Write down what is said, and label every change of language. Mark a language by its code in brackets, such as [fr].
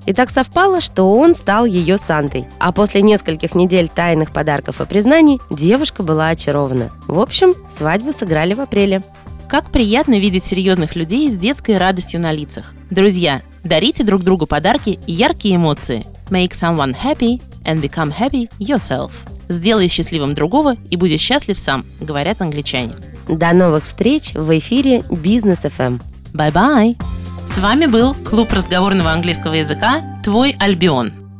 [ru] И так совпало, что он стал ее Сантой. А после нескольких недель тайных подарков и признаний девушка была очарована. В общем, свадьбу сыграли в апреле. Как приятно видеть серьезных людей с детской радостью на лицах. Друзья, дарите друг другу подарки и яркие эмоции. [en] Make someone happy and become happy yourself. [ru] Сделай счастливым другого и будь счастлив сам, говорят англичане. До новых встреч в эфире Business FM. [en] Bye-bye. [ru] С вами был клуб разговорного английского языка «Твой Альбион».